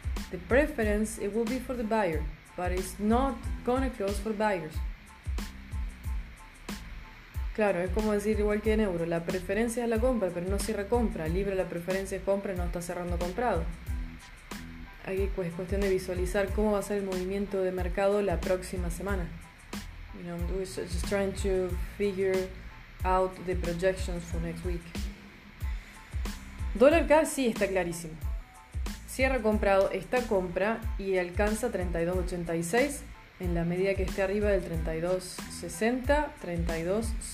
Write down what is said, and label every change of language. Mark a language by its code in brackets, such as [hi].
[en] The preference, it will be for the buyer, but it's not gonna close for buyers. [es] Claro, es como decir igual que en euro, la preferencia es la compra, pero no cierra compra. Libra, la preferencia es compra, no está cerrando comprado. Aquí es cuestión de visualizar cómo va a ser el movimiento de mercado la próxima semana. [en] You know, we're just trying to figure out the projections for next week. [es] Dólar CAD sí está clarísimo. Cierra comprado esta compra y alcanza 32.86 en la medida que esté arriba del 32.60, 32.50.